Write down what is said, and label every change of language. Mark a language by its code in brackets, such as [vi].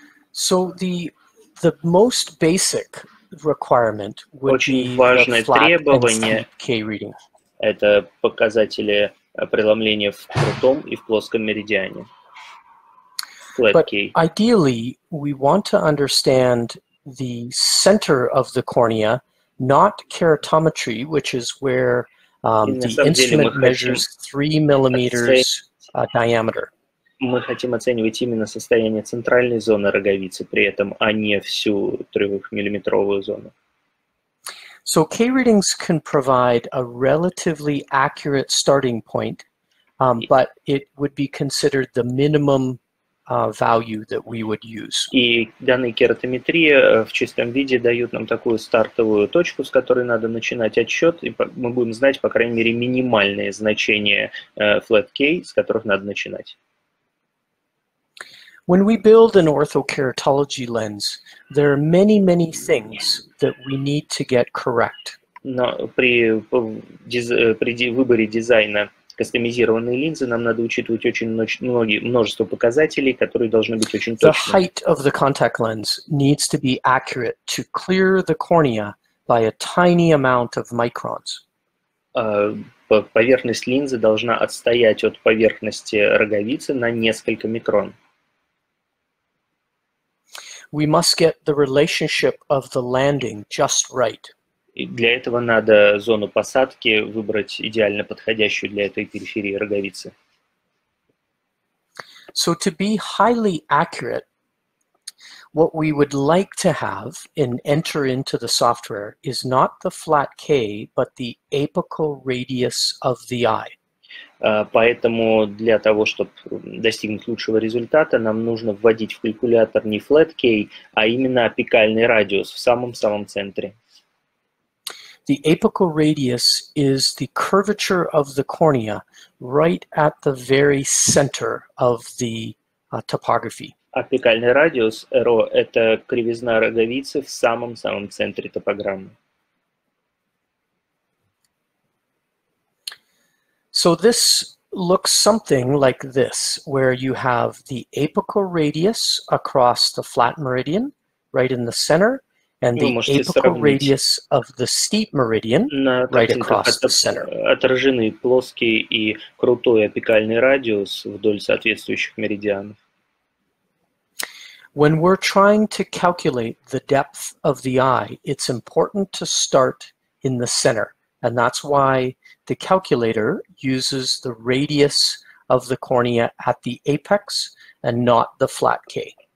[en] So the most basic requirement would be flat and K reading. [ru] Это показатели преломления в крутом и в плоском меридиане. [en] Flat but K. Ideally, we want to understand the center of the cornea, not keratometry, which is where the instrument measures 3 millimeters diameter. [ru] Мы хотим оценивать именно состояние центральной зоны роговицы, при этом, а не всю 3-миллиметровую зону. [en] So K readings can provide a relatively accurate starting point, but it would be considered the minimum value that we would use. [ru] И данные кератометрии в чистом виде дают нам такую стартовую точку, с которой надо начинать отсчет, и мы будем знать, по крайней мере, минимальные значения flat K, с которых надо начинать. [en] When we build an orthokeratology lens, there are many, many things that we need to get correct. [ru] Но при выборе дизайна кастомизированные линзы, нам надо учитывать множество показателей, которые должны быть очень точными. [en] The height of the contact lens needs to be accurate to clear the cornea by a tiny amount of microns. [ru] Поверхность линзы должна отстоять от поверхности роговицы на несколько микрон. [en] We must get the relationship of the landing just right. [ru] И для этого надо зону посадки выбрать идеально подходящую для этой периферии роговицы. [en] So to be highly accurate, what we would like to have and enter into the software is not the flat K, but the apical radius of the eye. [ru] Поэтому для того, чтобы достигнуть лучшего результата, нам нужно вводить в калькулятор не flat K, а именно опекальный радиус в самом-самом центре. [en] The apical radius is the curvature of the cornea right at the very center of the topography. [ru] Опекальный радиус, РО, это кривизна роговицы в самом-самом центре топограммы. [en] So this looks something like this, where you have the apical radius across the flat meridian right in the center, and the apical radius of the steep meridian right across the center. [ru] Отражены плоский и крутой апикальный радиус вдоль соответствующих меридианов. [en] When we're trying to calculate the depth of the eye, it's important to start in the center. And that's why the calculator uses the radius of the cornea at the apex and not the flat K.